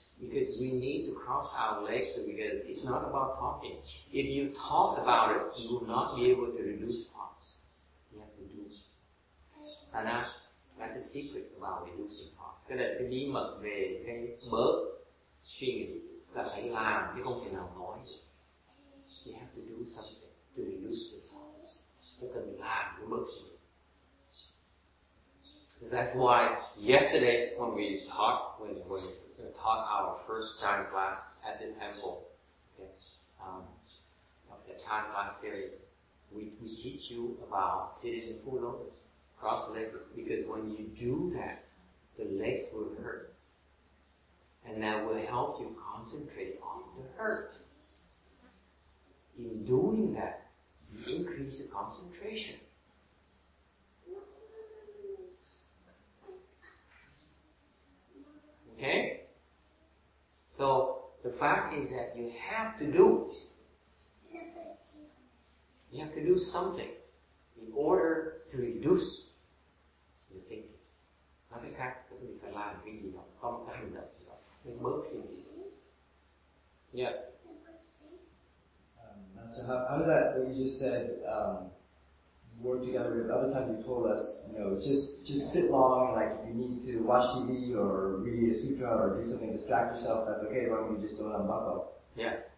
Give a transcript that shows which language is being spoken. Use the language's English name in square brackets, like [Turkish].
[English] Because we need to cross our legs because it's not about talking. If you talk about it, you will not be able to reduce thoughts. You have to do it. And that's a secret about reducing thoughts. [Vietnamese] Cái này là cái bí mật về cái bớt suy nghĩ. Là phải làm chứ không thể nào nói. [English] You have to do something to reduce the thoughts. [Vietnamese] Cái cần làm cái bớt suy nghĩ. [English] So that's why yesterday when we talked, when we taught our first chant class at the temple, the chant class series, we teach you about sitting in full lotus, cross legged, because when you do that, the legs will hurt, and that will help you concentrate on the hurt. In doing that, you increase the concentration. Okay? So, the fact is that you have to do it. You have to do something in order to reduce your thinking. [Vietnamese] Nói cách khác, chúng mình phải làm cái gì đó, không có hành động gì đó, mình bớt suy nghĩ. [English] Yes? So how does that, what you just said, work together with other times you told us, you know, just sit long, like if you need to watch TV or read a sutra or do something, distract yourself, that's okay as long as you just don't unbuckle. Yeah.